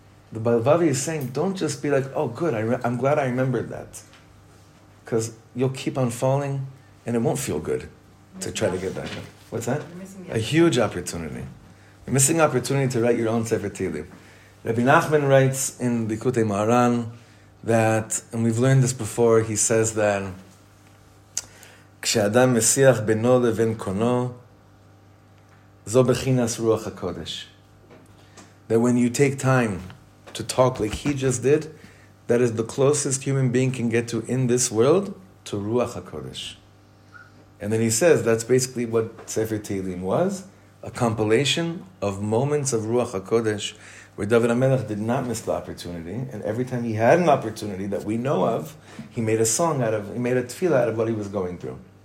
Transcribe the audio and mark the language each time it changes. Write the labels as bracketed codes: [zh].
[en] The Balvavi is saying, don't just be like, oh good, I'm glad I remembered that. Because you'll keep on falling, and it won't feel good to try to get back up. What's that? A huge opportunity. You're missing opportunity to write your own Sefer Tehillim. Rabbi Nachman writes in Likutei Maharan that, and we've learned this before, he says that [he] כשאדם מסיח בינו לבין קונו, זו בחינס רוח הקודש. [en] That when you take time to talk like he just did, that is the closest human being can get to in this world, to Ruach HaKodesh. And then he says, that's basically what Sefer Tehillim was, a compilation of moments of Ruach HaKodesh, where David HaMelech did not miss the opportunity, and every time he had an opportunity that we know of, he made a tefillah out of what he was going through.